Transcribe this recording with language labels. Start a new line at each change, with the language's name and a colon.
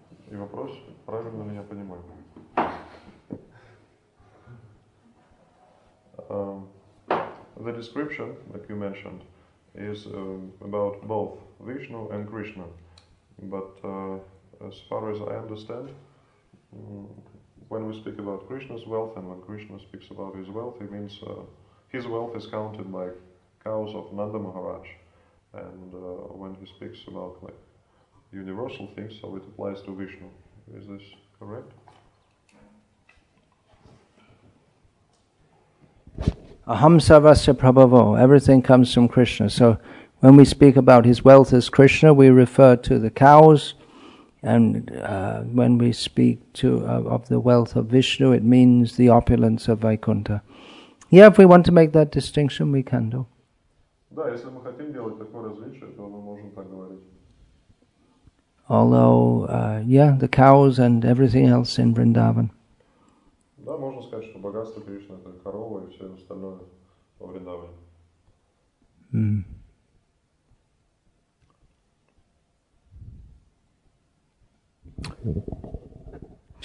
Russian: И вопрос, правильно ли я понимаю?
English: The description, like you mentioned, is about both Vishnu and Krishna. But as far as I understand, when we speak about Krishna's wealth and when Krishna speaks about his wealth, it means his wealth is counted like cows of Nanda Maharaj. And when he speaks about like universal things, so it applies to Vishnu. Is this correct?
Sanskrit: Ahamsavasya Prabhavo,
English: everything comes from Krishna. So when we speak about his wealth as Krishna, we refer to the cows. And when we speak to of the wealth of Vishnu, it means the opulence of Vaikuntha. Yeah, if we want to make that distinction, we can do.
Russian: Да, если мы хотим делать такое различие, то мы можем так говорить.
English: Although, the cows and everything else in Vrindavan.
Russian: Да, можно сказать, что богатство Кришны — это корова и все остальное во Вриндаване.